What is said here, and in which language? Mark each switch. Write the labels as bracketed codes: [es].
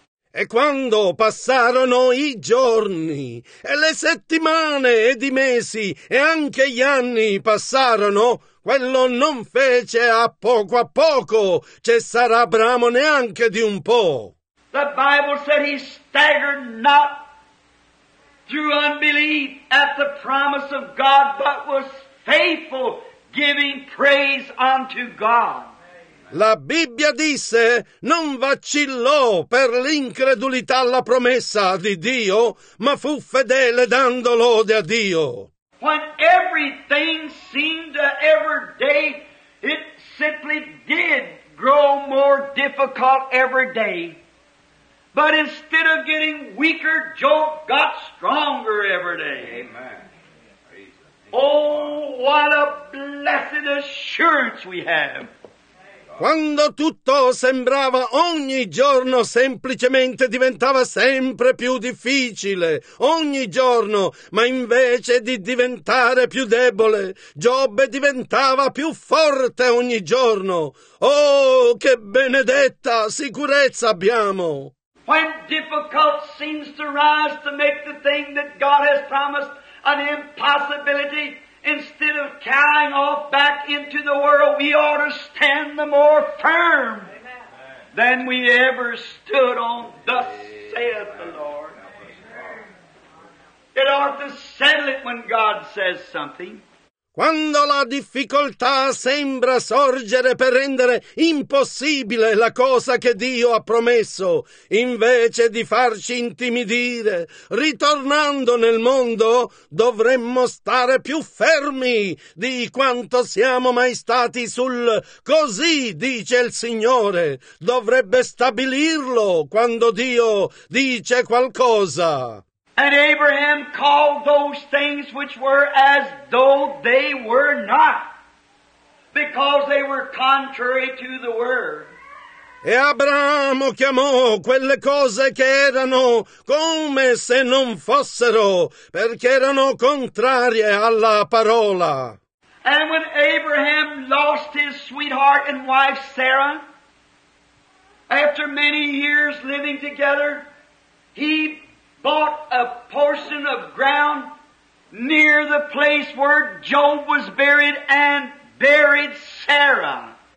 [it] E quando passarono i giorni, e le settimane ed i mesi, e anche gli anni passarono, quello non fece a poco cessare Abramo neanche di un po'. [en] The Bible said he staggered not through unbelief at the promise of God, but was faithful, giving praise unto God. [it] La Bibbia disse, non vacillò per l'incredulità alla promessa di Dio, ma fu fedele dando lode a Dio. [en] When everything seemed to every day, it simply did grow more difficult every day. But instead of getting weaker, Job got stronger every day. Amen. Oh, what a blessed assurance we have. [it] Quando tutto sembrava ogni giorno semplicemente diventava sempre più difficile, ogni giorno, ma invece di diventare più debole, Giobbe diventava più forte ogni giorno. Oh, che benedetta sicurezza abbiamo! [en] When difficulty seems to rise to make the thing that God has promised an impossibility, instead of carrying off back into the world, we ought to stand the more firm than we ever stood on, thus saith the Lord. It ought to settle it when God says something. [it] Quando la difficoltà sembra sorgere per rendere impossibile la cosa che Dio ha promesso, invece di farci intimidire, ritornando nel mondo, dovremmo stare più fermi di quanto siamo mai stati sul così, dice il Signore. Dovrebbe stabilirlo quando Dio dice qualcosa. [en] And Abraham called those things which were as though they were not, because they were contrary to the word. [it] E Abramo chiamò quelle cose che erano come se non fossero, perché erano contrarie alla parola. [en] And when Abraham lost his sweetheart and wife Sarah, after many years living together, he bought a portion of ground near the place where Job was buried and buried Sarah.